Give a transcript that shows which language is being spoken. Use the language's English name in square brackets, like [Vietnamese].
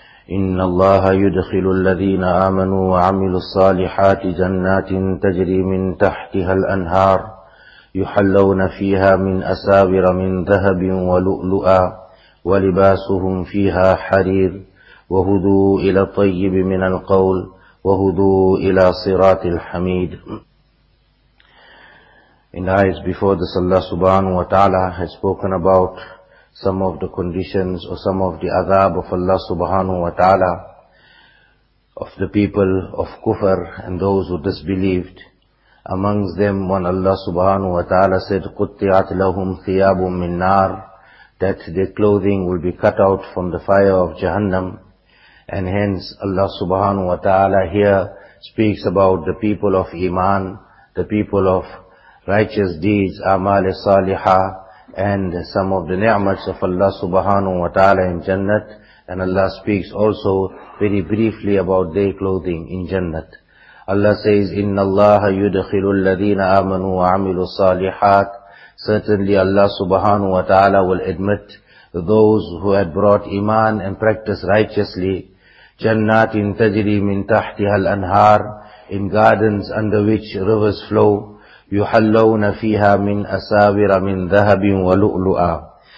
[Arabic] إن الله يدخل الذين آمنوا وعملوا الصالحات جنات تجري من تحتها الأنهار يحلون فيها من أساور من ذهب ولؤلؤا ولباسهم فيها حرير وهدوا إلى الطيب من القول وهدوا إلى صراط الحميد. [English] In the eyes before this, Allah subhanahu wa ta'ala has spoken about some of the conditions or some of the adab of Allah subhanahu wa ta'ala of the people of kufr and those who disbelieved. Amongst them, when Allah subhanahu wa ta'ala said, [Arabic] قُطِّعَتْ لَهُمْ ثِيَابٌ مِّن نَارٍ, [English] that their clothing will be cut out from the fire of Jahannam. And hence Allah subhanahu wa ta'ala here speaks about the people of Iman, the people of righteous deeds, amal salihah, and some of the ni'mats of Allah subhanahu wa ta'ala in Jannat. And Allah speaks also very briefly about their clothing in Jannat. Allah says, [Arabic] إِنَّ اللَّهَ يُدْخِلُ الَّذِينَ آمَنُوا وَعَمِلُوا الصَّالِحَاتِ. [English] Certainly Allah subhanahu wa ta'ala will admit those who had brought iman and practiced righteously. [Arabic] جَنَّاتٍ تَجْرِي مِن تَحْتِهَا الْأَنْهَارِ, [English] in gardens under which rivers flow. [Arabic] يُحَلَّوْنَ فِيهَا مِنْ أَسَاوِرَ مِنْ ذَهَبٍ وَلُؤْلُؤًا.